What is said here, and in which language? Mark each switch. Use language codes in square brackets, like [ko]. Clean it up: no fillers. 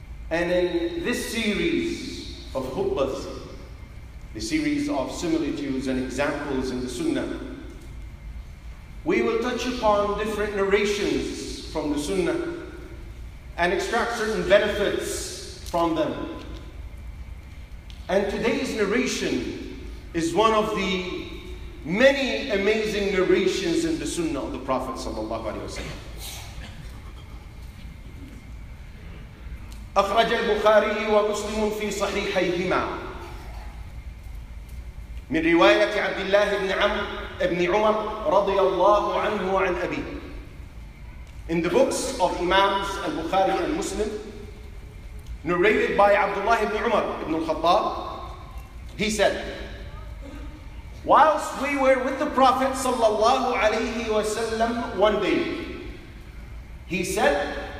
[en] And in this series of khutbas, the series of similitudes and examples in the Sunnah, we will touch upon different narrations from the Sunnah and extract certain benefits from them. And today's narration is one of the many amazing narrations in the Sunnah of the Prophet sallallahu alaihi wasallam. [ar] أخرج البخاري ومسلم في صحيحيهما من رواية عبد الله بن عمر رضي الله عنه وعن أبيه. [en] In the books of Imams al-Bukhari and Muslim, narrated by Abdullah ibn Umar ibn al-Khattab, he said, whilst we were with the Prophet sallallahu alayhi wa sallam one day, he said,